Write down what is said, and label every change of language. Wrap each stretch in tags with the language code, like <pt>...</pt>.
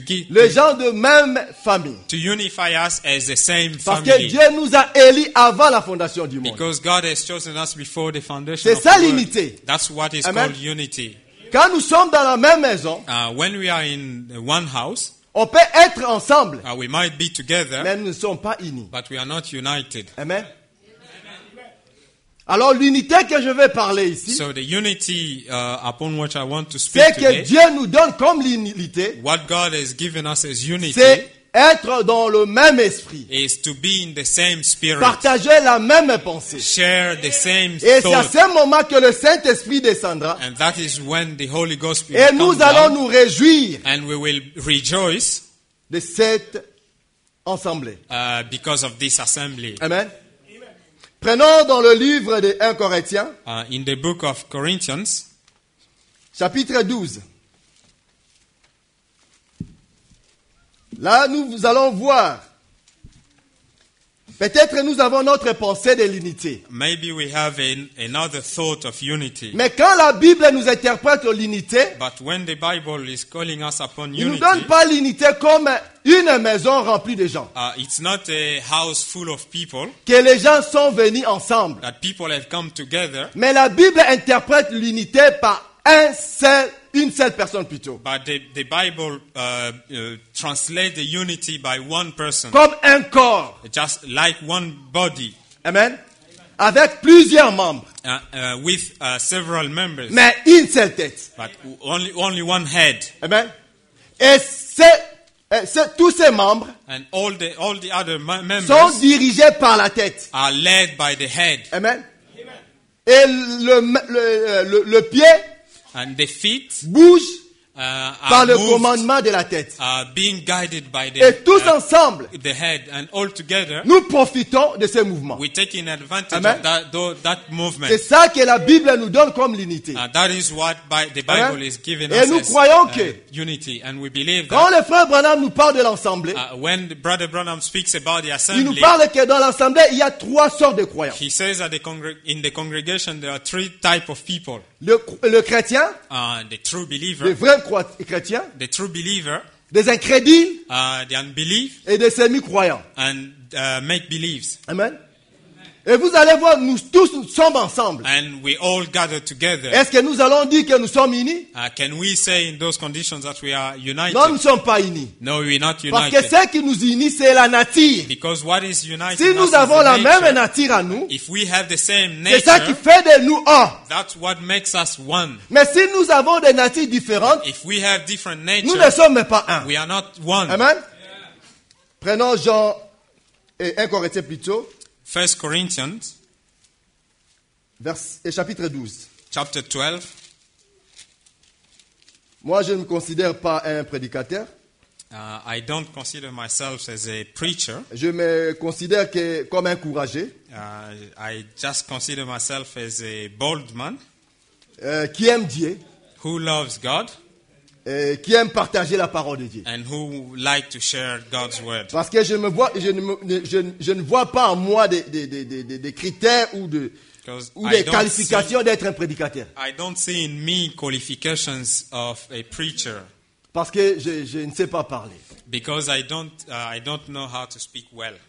<fr>Le genre de même famille.</fr> <en>To unify us as the same</en> <fr>parce</fr> <en>family.</en> <fr>Parce que Dieu nous a élus avant la fondation du monde.</fr> <en>Because God has chosen us before the foundation</en> <fr>c'est</fr> <en>of</en> <fr>ça l'unité.</fr> <en>That's what is Amen. Called unity.</en> <fr>Quand nous sommes dans la même maison.</fr> <en>When we are in one house.</en> <fr>On peut être ensemble.</fr> <en>We might be together,</en> <fr>mais nous ne sommes pas unis.</fr> <en>But we are not united. Amen. Amen.</en> <fr>Alors l'unité que je vais parler ici.</fr> <en>So the unity upon which I want to speak</en> <fr>c'est</fr> <en>today.</en> <fr>C'est que Dieu nous donne comme l'unité.</fr> <en>What God has given us as unity.</en> <fr>C'est être dans le même esprit.</fr> <en>Is to be in the same spirit.</en> <fr>Partager la même pensée.</fr> <en>Share the same</en> <fr>et</fr> <en>thought.</en> <fr>Et c'est à ce moment que le Saint-Esprit descendra.</fr> <en>And that is when the Holy Ghost comes down.</en> <fr>Et nous allons nous réjouir.</fr> <en>And we will rejoice.</en> <fr>De cette assemblée.</fr> <en>Because of this assembly. Amen.</en> <fr>Prenons dans le livre de 1 Corinthiens.</fr> <en>In the book of Corinthians.</en> <fr>Chapitre 12. Là, nous allons voir. Peut-être nous avons notre pensée de l'unité.</fr> <en>Maybe we have another thought of unity.</en> <fr>Mais quand la Bible nous interprète l'unité,</fr> <en>but when the Bible is calling us upon unity,</en> <fr>il ne nous donne pas l'unité comme une maison remplie de gens.</fr> <en>It's not a house full of people.</en> <fr>Que les gens sont venus ensemble.</fr> <en>That people have come together.</en> <fr>Mais la Bible interprète l'unité par un seul. Une seule personne plutôt.</fr> <en>But the Bible translates the unity by one person.</en> <fr>Comme un corps.</fr> <en>Just like one body. Amen. Amen.</en> <fr>Avec plusieurs membres.</fr> <en>With several members.</en> <fr>Mais une seule tête.</fr> <en>But only one head. Amen.</en> <fr>Et c'est tous ces membres.</fr> <en>And all the other members.</en> <fr>Sont dirigés par la tête.</fr> <en>Are led by the head.</en> <fr>Amen. Amen. Et le pied.</fr> <en>And the feet</en> <fr>bouge par le commandement de la tête.</fr> <en>Being guided by the,</en> <fr>et tous ensemble,</fr> <en>the head and all together,</en> <fr>nous profitons de ce mouvement.</fr> <en>We're taking advantage of that movement.</en> <fr>C'est ça que la Bible nous donne comme l'unité.</fr> <en>That is what the Bible is giving</en> <fr>et</fr> <en>us</en> <fr>nous croyons que</fr> <en>unity, and we believe</en> <fr>quand</fr> <en>that</en> <fr>le frère Branham nous parle de l'assemblée,</fr> <en>when Brother Branham speaks about the assembly,</en> <fr>il nous parle que dans l'assemblée, il y a trois sortes de croyants.</fr> <en>He says that in the congregation there are three types of people.</en> <fr>Le chrétien,</fr> <en>the true believer,</en> <fr>le vrai chrétien,</fr> <en>the true believer,</en> <fr>des incrédules,</fr> <en>the unbelief,</en> <fr>et des semi-croyants,</fr> <en>and make believes. Amen.</en> <fr>Et vous allez voir, nous tous nous sommes ensemble.</fr> <en>And we all gather together.</en> <fr>Est-ce que nous allons dire que nous sommes unis?</fr> <en>Can we say in those conditions that we are united?</en> <fr>Non, nous ne sommes pas unis.</fr> <en>No, we're not united.</en> <fr>Parce que ce qui nous unit, c'est la nature.</fr> <en>Because what is uniting</en> <fr>si nous</fr> <en>us</en> <fr>avons</fr> <en>is</en> <fr>la</fr> <en>nature,</en> <fr>même nature à nous,</fr> <en>if we have the same nature,</en> <fr>c'est ça qui fait de nous un.</fr> <en>That's what makes us one.</en> <fr>Mais si nous avons des natures différentes,</fr> <en>if we have different nature,</en> <fr>nous ne sommes pas un.</fr> <en>We are not one. Amen. Yeah.</en> <fr>Prenons Jean et 1 Corinthiens plutôt.</fr> <en>1 Corinthians</en> <fr>chapitre 12.</fr> <en>Chapter 12.</en> <fr>Moi, je ne me considère pas un prédicateur.</fr> <en>I don't consider myself as a preacher.</en> <fr>Je me considère que comme un courageux.</fr> <en>I just consider myself as a bold man.</en> <fr>Qui aime Dieu.</fr> <en>Who loves God.</en> <fr>Et qui aime partager la parole de Dieu.</fr> <en>And who like to share God's word.</en> <fr>Parce que je ne vois pas en moi des critères ou des qualifications d'être un prédicateur.</fr> <en>I don't see in me qualifications of a preacher.</en> <fr>Parce que je ne sais pas parler.</fr> <en>Because I don't know how to speak well.</en>